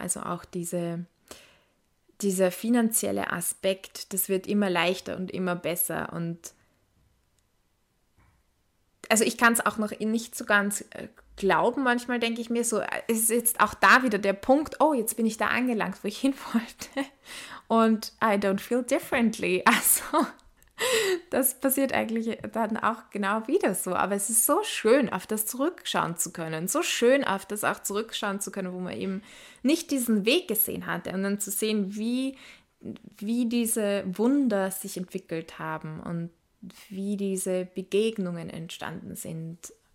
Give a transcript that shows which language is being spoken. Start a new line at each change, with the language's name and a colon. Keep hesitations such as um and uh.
German: Also auch diese, dieser finanzielle Aspekt, das wird immer leichter und immer besser und also ich kann es auch noch nicht so ganz äh, glauben. Manchmal denke ich mir so, ist jetzt auch da wieder der Punkt, oh, jetzt bin ich da angelangt, wo ich hin wollte. Und
English: I don't feel differently.
German: Also, das passiert eigentlich dann auch genau wieder so. Aber es ist so schön, auf das zurückschauen zu können. So schön, auf das auch zurückschauen zu können, wo man eben nicht diesen Weg gesehen hatte. Und dann zu sehen, wie, wie diese Wunder sich entwickelt haben und wie diese Begegnungen entstanden sind.